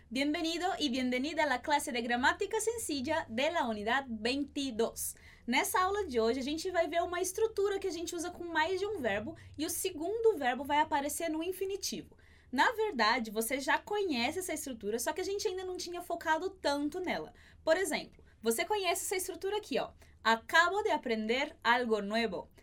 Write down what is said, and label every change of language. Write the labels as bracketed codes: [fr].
[es] Bienvenido y bienvenida a la clase de gramática sencilla de la unidad 22. [pt] Nessa aula de hoje, a gente vai ver uma estrutura que a gente usa com mais de um verbo e o segundo verbo vai aparecer no infinitivo. Na verdade, você já conhece essa estrutura, só que a gente ainda não tinha focado tanto nela. Por exemplo, você conhece essa estrutura aqui, ó. [es] Acabo de aprender algo nuevo.